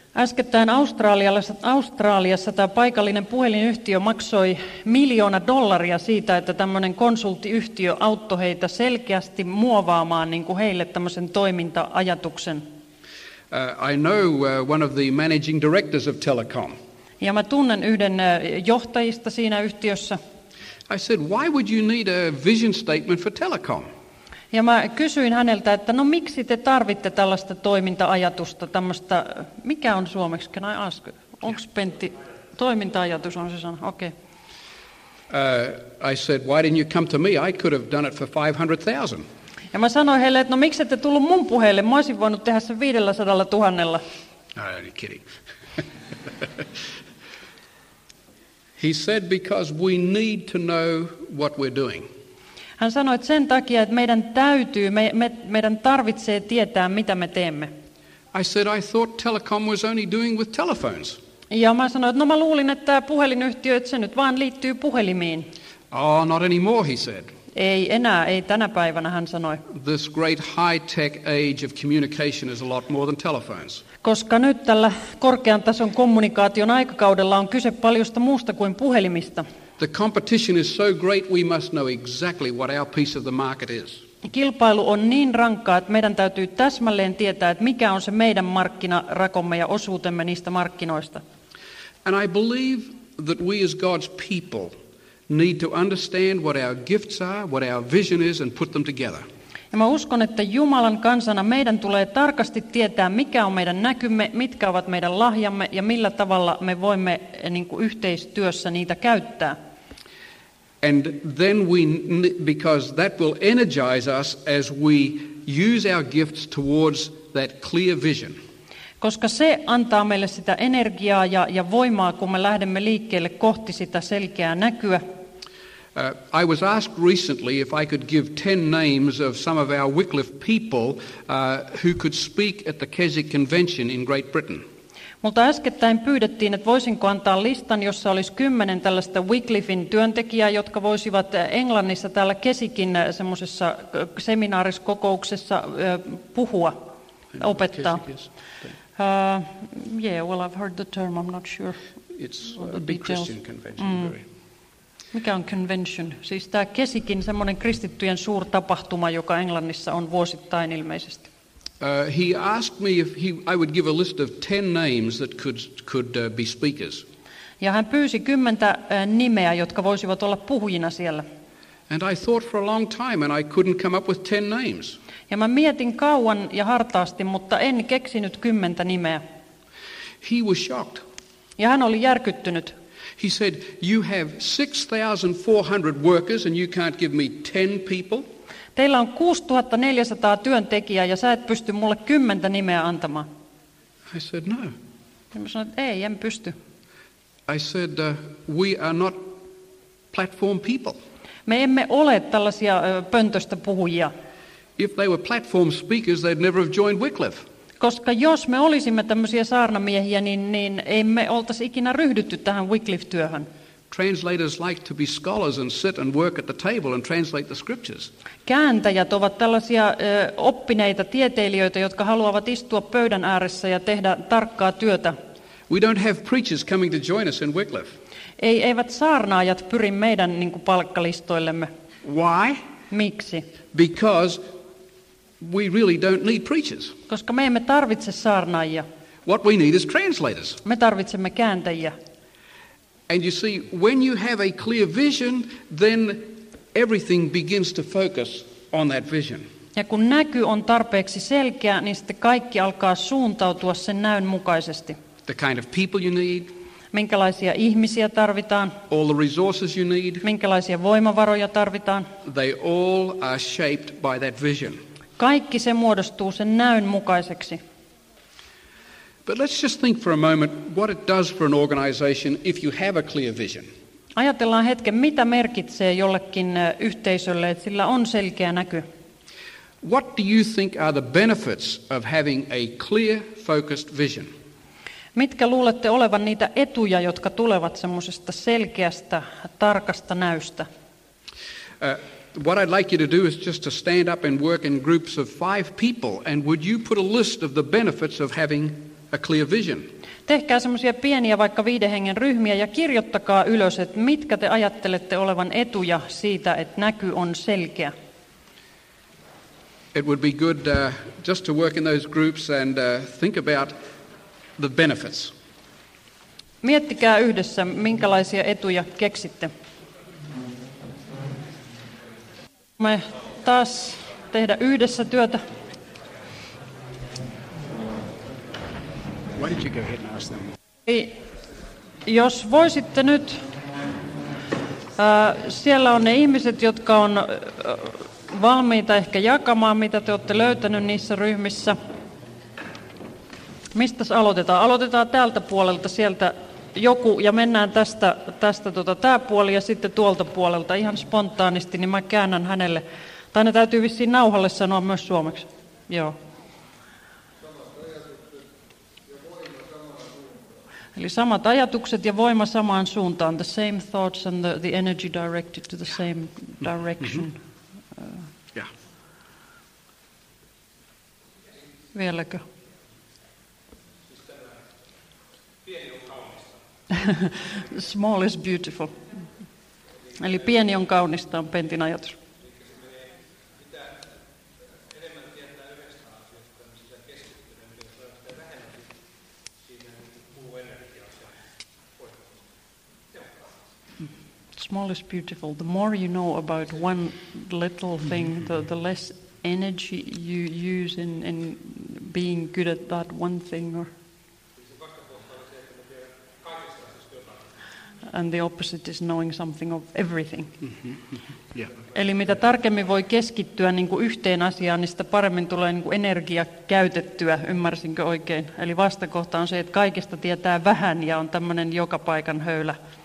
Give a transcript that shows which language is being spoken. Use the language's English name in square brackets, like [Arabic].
[Finnish] Äskettäin Australiassa tämä paikallinen puhelinyhtiö maksoi $1 million siitä, että tämmöinen konsulttiyhtiö auttoi heitä selkeästi muovaamaan niin kuin heille tämmöisen toiminta-ajatuksen. [English] I know one of the managing directors of Telecom. [Finnish] Ja mä tunnen yhden johtajista siinä yhtiössä. [English] I said, why would you need a vision statement for Telecom? [Finnish] Ja mä kysyin häneltä, että no miksi te tarvitte tällaista toiminta-ajatusta, tämmöistä, mikä on suomeksi, [English] can I ask, [Finnish] onks Pentti, toiminta-ajatus on se sana, okei. [English] I said, why didn't you come to me, I could have done it for 500,000. [Finnish] Ja mä sanoin heille, että no miksi ette tullut mun puheille, mä olisin voinut tehdä sen 500,000. [English] I'm only kidding. He said, because we need to know what we're doing. [Finnish] Hän sanoi, että sen takia, että meidän täytyy, meidän tarvitsee tietää, mitä me teemme. [English] I said, I thought Telecom was only doing with telephones. [Finnish] Ja mä sanoin, että no mä luulin, että tämä puhelinyhtiö, että se nyt vaan liittyy puhelimiin. [English] Oh, not anymore, he said. [Finnish] Ei enää, ei tänä päivänä, hän sanoi. [English] This great high-tech age of communication is a lot more than telephones. [Finnish] Koska nyt tällä korkean tason kommunikaation aikakaudella on kyse paljosta muusta kuin puhelimista. [English] The competition is so great we must know exactly what our piece of the market is. [Finnish] Kilpailu on niin rankkaa, että meidän täytyy täsmälleen tietää, että mikä on se meidän markkinarakomme ja osuutemme niistä markkinoista. [English] And I believe that we as God's people need to understand what our gifts are, what our vision is and put them together. [Finnish] Ja mä uskon, että Jumalan kansana meidän tulee tarkasti tietää, mikä on meidän näkymme, mitkä ovat meidän lahjamme ja millä tavalla me voimme niin kuin yhteistyössä niitä käyttää. [English] And then we, because that will energize us as we use our gifts towards that clear vision. [Finnish] Koska se antaa meille sitä energiaa ja voimaa, kun me lähdemme liikkeelle kohti sitä selkeää näkyä. [English] I was asked recently if I could give 10 names of some of our Wycliffe people who could speak at the Keswick Convention in Great Britain. [Finnish] Mutta äskettäin pyydettiin, että voisinko antaa listan, jossa olisi 10 tällaista Wycliffen työntekijää, jotka voisivat Englannissa täällä Keswickin semmoisessa seminaariskokouksessa puhua, opettaa. [English] Yeah, well I've heard the term, I'm not sure. It's a big Christian convention, very. [Finnish] Mikä on convention? Siis tämä Keswickin semmoinen kristittyjen suurtapahtuma, joka Englannissa on vuosittain ilmeisesti. [English] He asked me if I would give a list of 10 names that could be speakers. [Finnish] Ja hän pyysi 10 nimeä, jotka voisivat olla puhujina siellä. [English] And I thought for a long time and I couldn't come up with 10 names. [Finnish] Ja mä mietin kauan ja hartaasti, mutta en keksinyt 10 nimeä. [English] He was shocked. [Finnish] Ja hän oli järkyttynyt. [English] He said, you have 6,400 workers and you can't give me 10 people? [Finnish] Teillä on 6,400 työntekijää ja sä et pysty mulle 10 nimeä antamaan. [English] I said, no. [Finnish] Ja mä sanoin, että ei, en pysty. [English] I said, we are not platform people. [Finnish] Me emme ole tällaisia pöntöstä puhujia. [English] If they were platform speakers, they'd never have joined Wycliffe. [Finnish] Koska jos me olisimme tämmöisiä saarnamiehiä, niin emme oltaisi ikinä ryhdytty tähän Wycliffe-työhön. [English] Translators like to be scholars and sit and work at the table and translate the scriptures. [Finnish] Kääntäjät ovat tällaisia oppineita tieteilijöitä, jotka haluavat istua pöydän ääressä ja tehdä tarkkaa työtä. [English] We don't have preachers coming to join us in Wycliffe. [Finnish] Eivät saarnaajat pyri meidän niin kuin palkkalistoillemme. [English] Why? [Finnish] Miksi? [English] Because we really don't need preachers. [Finnish] Koska me emme tarvitse saarnaajia. [English] What we need is translators. [Finnish] Me tarvitsemme kääntäjiä. [English] And you see, when you have a clear vision, then everything begins to focus on that vision. [Finnish] Ja kun näky on tarpeeksi selkeä, niin sitten kaikki alkaa suuntautua sen näyn mukaisesti. [English] The kind of people you need. [Finnish] Minkälaisia ihmisiä tarvitaan? [English] All the resources you need. [Finnish] Minkälaisia voimavaroja tarvitaan? [English] They all are shaped by that vision. [Finnish] Kaikki se muodostuu sen näyn mukaiseksksi. [English] But let's just think for a moment what it does for an organization if you have a clear vision. [Finnish] Ajatellaan hetken, mitä merkitsee jollekin yhteisölle, että sillä on selkeä näky. [English] What do you think are the benefits of having a clear focused vision? [Finnish] Mitkä luulette olevan niitä etuja, jotka tulevat semmoisesta selkeästä tarkasta näystä? [English] What I'd like you to do is just to stand up and work in groups of 5 people and would you put a list of the benefits of having a clear vision? [Finnish] Tehkää semmoisia pieniä vaikka 5 hengen ryhmiä ja kirjoittakaa ylös, että mitkä te ajattelette olevan etuja siitä, että näky on selkeä. [English] It would be good just to work in those groups and think about the benefits. [Finnish] Miettikää yhdessä, minkälaisia etuja keksitte. Me taas tehdä yhdessä työtä. [English] Why did you go ahead and ask them? [Finnish] Jos voisitte nyt, siellä on ne ihmiset, jotka on valmiita ehkä jakamaan, mitä te olette löytänyt niissä ryhmissä. Mistä aloitetaan? Aloitetaan tältä puolelta, sieltä joku, ja mennään tästä tämä puoli ja sitten tuolta puolelta ihan spontaanisti, niin mä käännän hänelle. Tai ne täytyy vissiin nauhalle sanoa myös suomeksi. Joo. Eli samat ajatukset ja voima samaan suuntaan. [English] The same thoughts and the energy directed to the same direction. Mm-hmm. Yeah. [Finnish] Vieläkö? [English] Small is beautiful. [Finnish] Eli pieni on kaunista on Pentin ajatus. [English] Small is beautiful. The more you know about one little thing, the less energy you use in being good at that one thing. And the opposite is knowing something of everything. [Finnish] Eli mitä tarkemmin voi keskittyä niin kuin yhteen asiaan, niin sitä paremmin tulee niin kuin energia käytettyä, ymmärsinkö oikein? Eli vastakohta on se, että kaikesta tietää vähän ja on tämmöinen joka paikan höylä.